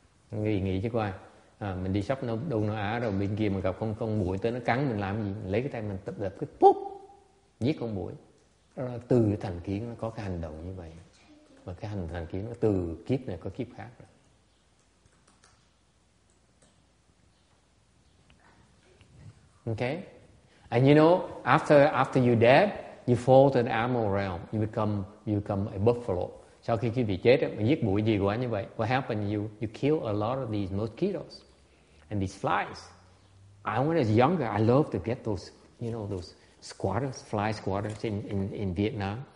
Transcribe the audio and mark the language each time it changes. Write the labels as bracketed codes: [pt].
[vi] Nghĩ nghĩ chứ coi à, mình đi shop Đông Nam Á rồi bên kia mà gặp con muỗi tới nó cắn mình làm gì, mình lấy cái tay mình tập đập cái púp giết con muỗi. Từ cái thành kiến nó có cái hành động như vậy, và cái thành kiến nó từ kiếp này có kiếp khác rồi. [en] Okay, and you know after you dead you fall to the animal realm, you become a buffalo. [vi] Sau khi quý vị chết, mình giết muỗi gì quá như vậy. [en] What happened? You kill a lot of these mosquitoes and these flies. When I was younger, I love to get those, you know, those squatters, fly squatters in Vietnam.